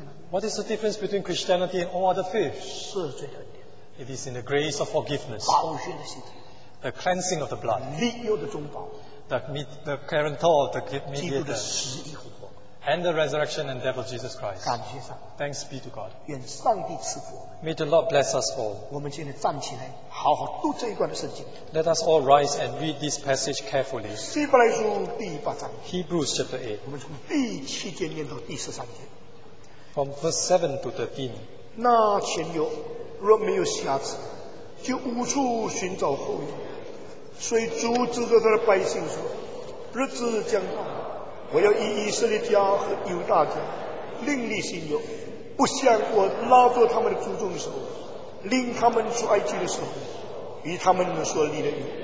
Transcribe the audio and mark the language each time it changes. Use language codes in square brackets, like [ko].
[en] What is the difference between Christianity and all other faiths? It is in the grace of forgiveness, the cleansing of the blood, the guarantor, the mediator, and the resurrection and death of Jesus Christ. [zh] 感谢上, [en] thanks be to God. [zh] 愿上帝赐福我们, [en] may the Lord bless us all. [zh] 我们今天站起来, 好好读这一段的圣经, [en] let us all rise and read this passage carefully. [zh] 希伯来书第八章, [en] Hebrews chapter 8. [zh] 我们从第七节念到第十三节, [en] from verse 7 to 13. [zh] 那前有若没有瑕疵, 就无处寻找后裔, 所以主指着他的百姓说, 日子将到, 我要以色列家和犹大家, 另立新约, 不像我拉着他们的祖宗的时候, 领他们出埃及的时候, 与他们所立的约,